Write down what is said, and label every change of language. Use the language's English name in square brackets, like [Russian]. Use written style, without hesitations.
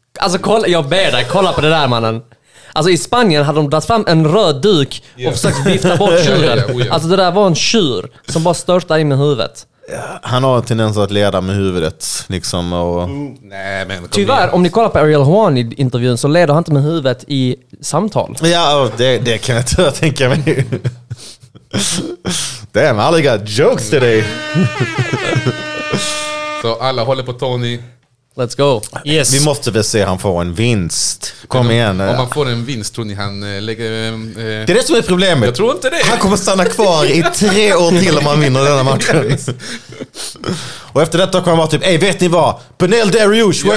[Swedish] Alltså, kolla på det där, mannen. Alltså, i Spanien hade de dragit fram en röd duk och försökt vifta bort tjuren. Alltså, det där var en tjur som bara störtade in med huvudet. Ja, han har en tendens att leda med huvudet. Liksom, och... Nej, men tyvärr, igen. Om ni kollar på Ariel Hawn i intervjun så leder han inte med huvudet i samtal. Ja, det kan jag tyvärr tänka mig. [English] Damn, I only got jokes today. [Swedish] Så alla håller på Tony. [English] Let's go. Yes. [Swedish] Vi måste väl se han får en vinst. Kom igen. Om han får en vinst, tror ni han lägger... Det är det som är problemet. Jag tror inte det. Han kommer stanna kvar i 3 år till om han vinner denna matchen. Och efter detta kommer han vara typ, ej, vet ni vad? Benel Dariush. Yeah.